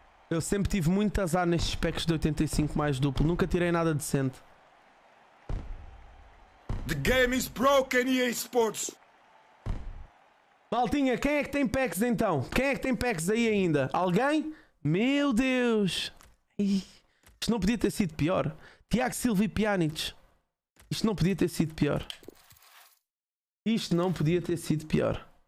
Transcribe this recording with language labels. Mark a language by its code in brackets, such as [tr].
[pt] Eu sempre tive muito azar nestes packs de 85 mais duplo. Nunca tirei nada decente. [en] The game is broken, EA Sports. [pt] Maltinha, quem é que tem packs então? Quem é que tem packs aí ainda? Alguém? Meu Deus! Isto não podia ter sido pior. Tiago Silva e Pjanic. Isto não podia ter sido pior. Isto não podia ter sido pior.